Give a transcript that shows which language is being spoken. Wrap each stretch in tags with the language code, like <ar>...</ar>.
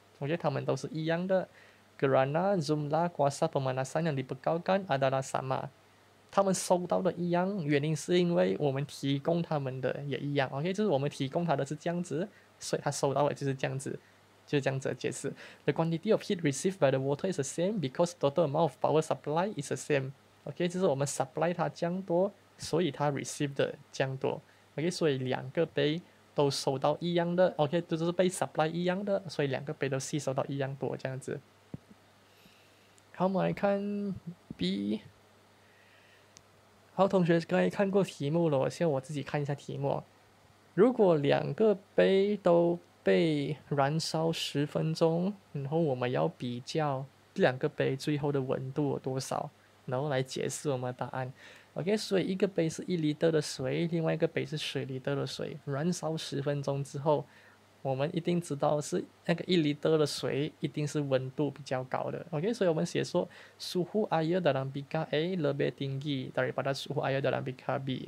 <ms>Okay, mereka semua sama. Kerana jumlah kuasa pemanasan yang dibekalkan adalah sama. Mereka semua sama. Alasannya kerana kita memberikan mereka juga sama. Okay, jadi kita memberikan mereka seperti ini. Jadi mereka dapat seperti ini.</ms> <en>The quantity of heat received by the water is the same because total amount of power supply is the same.</en> <zh>Okay, 就是我们 supply 它这样多，所以它 receive 的这样多。 Okay, 所以两个杯。都收到一样的，OK，就是被 supply 一样的，所以两个杯都吸收到一样多这样子。好，我们来看 B。好，同学刚才看过题目了，现在我自己看一下题目。如果两个杯都被燃烧10分钟，然后我们要比较两个杯最后的温度有多少，然后来解释我们的答案。 OK，所以一个杯是1L 的水，另外一个杯是10L 的水。燃烧10分钟之后，我们一定知道是那个1L 的水一定是温度比较高的。</zh> <ms>OK，</ms> <zh>所以我们写说</zh> <ms>suhu air dalam bika A lebih tinggi daripada suhu air dalam bika B。</ms>